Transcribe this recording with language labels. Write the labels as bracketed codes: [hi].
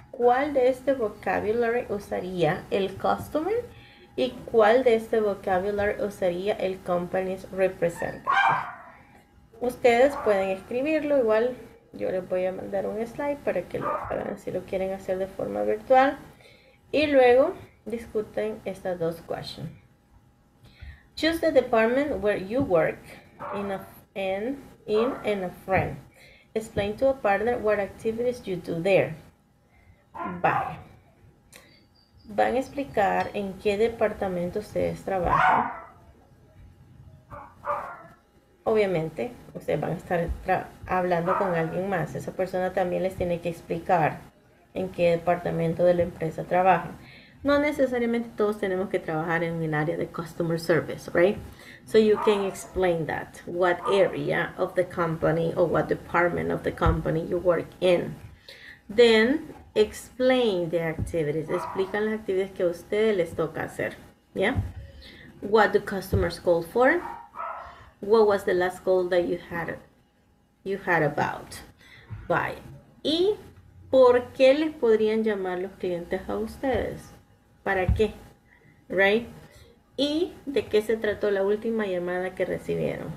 [es] ¿Cuál de este vocabulary usaría el customer? ¿Y cuál de este vocabulary usaría el company's representative? Ustedes pueden escribirlo. Igual yo les voy a mandar un slide para que lo hagan si lo quieren hacer de forma virtual. Y luego discuten estas dos questions. [en] Choose the department where you work in a friend. Explain to a partner what activities you do there. [es] Vale. Van a explicar en qué departamento ustedes trabajan. Obviamente, ustedes van a estar hablando con alguien más. Esa persona también les tiene que explicar en qué departamento de la empresa trabajan. No necesariamente todos tenemos que trabajar en el área de customer service, right? [en] So you can explain that. What area of the company or what department of the company you work in. Then explain the activities. [es] Explican las actividades que a ustedes les toca hacer. [en] Yeah? What do customers call for? What was the last call that you had about? Why? [es] ¿Y por qué les podrían llamar los clientes a ustedes? ¿Para qué? Right? ¿Y de qué se trató la última llamada que recibieron?